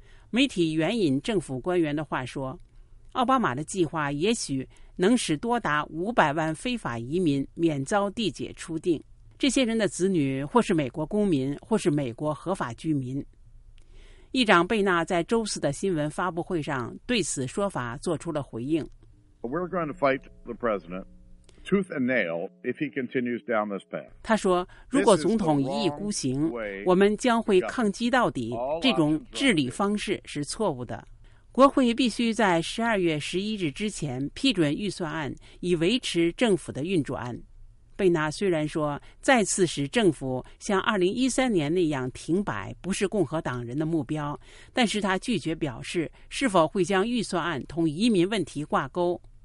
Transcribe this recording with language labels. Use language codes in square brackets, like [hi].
[zh] 媒体援引政府官员的话说，奥巴马的计划也许能使多达500万非法移民免遭地解出境，这些人的子女或是美国公民，或是美国合法居民。议长贝纳在周四的新闻发布会上对此说法做出了回应。 [en] We're going to fight the president tooth and nail if he continues down this path. [zh] 他说，如果总统一意孤行，我们将会抗击到底，这种治理方式是错误的。国会必须在12月11日之前批准预算案，以维持政府的运转。贝纳虽然说再次使政府像2013年那样停摆不是共和党人的目标，但是他拒绝表示是否会将预算案同移民问题挂钩。